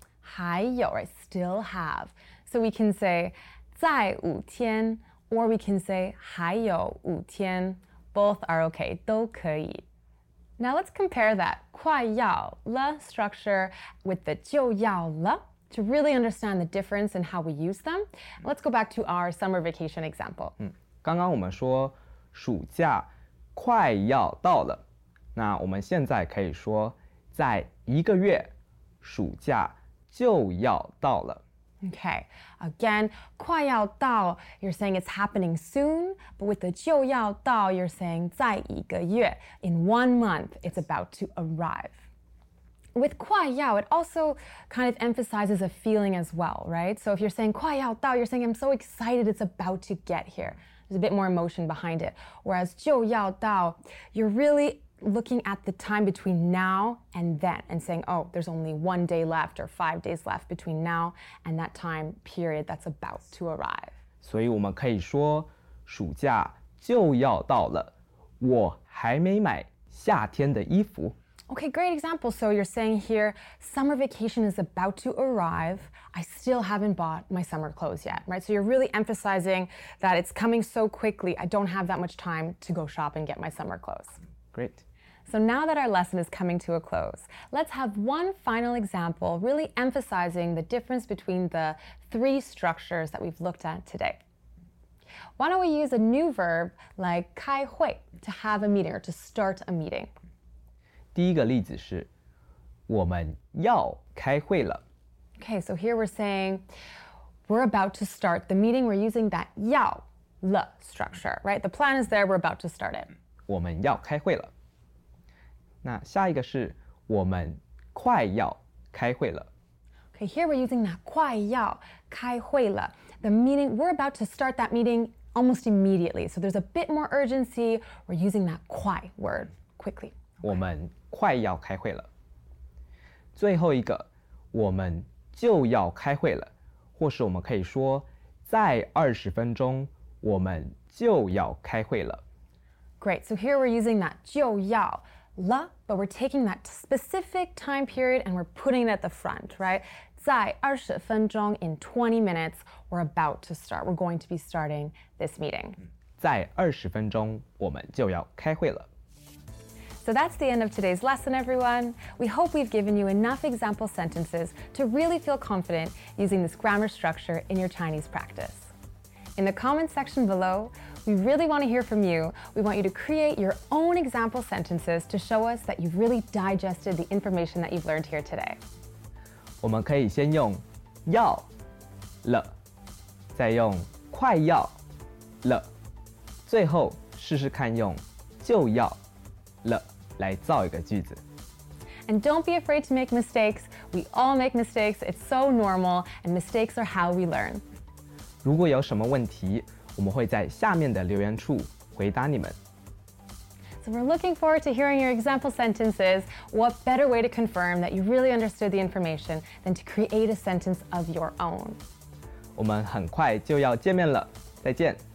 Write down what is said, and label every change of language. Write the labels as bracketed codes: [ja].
[en] 还有, I still have. So we can say [zh] 在五天, [en] or we can say [zh] 还有五天. [en] Both are okay, [zh] 都可以. [en] Now let's compare that 快要了 structure with the 就要了 to really understand the difference in how we use them. Let's go back to our summer vacation example. [zh] 刚刚我们说暑假快要到了。那我们现在可以说在一个月暑假就要到了。 [en] Okay, again, 快要到, you're saying it's happening soon, but with the 就要到, you're saying [zh] 在一个月, [en] in 1 month, it's about to arrive. With 快要, it also kind of emphasizes a feeling as well, right? So if you're saying 快要到, you're saying I'm so excited, it's about to get here. There's a bit more emotion behind it. Whereas 就要到, you're really... looking at the time between now and then and saying, oh, there's only 1 day left or 5 days left between now and that time period that's about to arrive. [zh] 所以我们可以说暑假就要到了。我还没买夏天的衣服。 [en] Okay, great example. So you're saying here, summer vacation is about to arrive. I still haven't bought my summer clothes yet, right? So you're really emphasizing that it's coming so quickly. I don't have that much time to go shop and get my summer clothes. Great. So now that our lesson is coming to a close, let's have one final example really emphasizing the difference between the three structures that we've looked at today. Why don't we use a new verb like 开会 to have a meeting or to start a meeting? [zh] 第一个例子是我们要开会了。 [en] Okay, so here we're saying we're about to start the meeting. We're using that 要了 structure, right? The plan is there, we're about to start it. [zh] 我们要开会了。那下一个是我们快要开会了。 [en] Okay, here we're using that [zh] 快要开会了。 [en] The meeting, we're about to start that meeting almost immediately. So there's a bit more urgency. We're using that 快 word quickly.、 [zh] Okay. 我们快要开会了。最后一个我们就要开会了。或是我们可以说在20分钟我们就要开会了。 [en] Great, so here we're using that 就要了, but we're taking that specific time period and we're putting it at the front, right? [zh] 在二十分钟, [en] in 20 minutes, we're about to start. We're going to be starting this meeting. [zh] 在二十分钟,我们就要开会了。 [en] So that's the end of today's lesson, everyone. We hope we've given you enough example sentences to really feel confident using this grammar structure in your Chinese practice. In the comments section below, we really want to hear from you. We want you to create your own example sentences to show us that you've really digested the information that you've learned here today. [zh] 我们可以先用要了，再用快要了，最后试试看用就要了来造一个句子。 [en] And don't be afraid to make mistakes. We all make mistakes. It's so normal. And mistakes are how we learn. [zh] 如果有什么问题，我们会在下面的留言处回答你们。 [en] So we're looking forward to hearing your example sentences. What better way to confirm that you really understood the information than to create a sentence of your own? [zh] 我们很快就要见面了，再见。